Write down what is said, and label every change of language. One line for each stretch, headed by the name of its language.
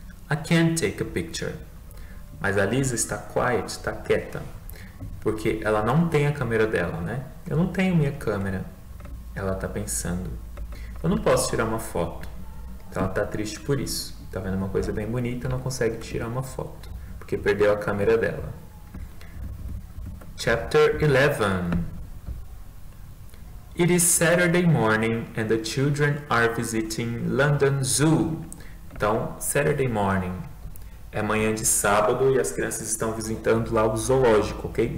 English: I can't take a picture.
Portuguese: Mas a Lisa está quiet, está quieta, porque ela não tem a câmera dela, né? Eu não tenho minha câmera, ela está pensando. Eu não posso tirar uma foto. Então ela está triste por isso. Está vendo uma coisa bem bonita, não consegue tirar uma foto, porque perdeu a câmera dela.
English: Chapter 11. It is Saturday morning and the children are visiting London Zoo.
Portuguese: Então, Saturday morning. É manhã de sábado e as crianças estão visitando lá o zoológico, ok?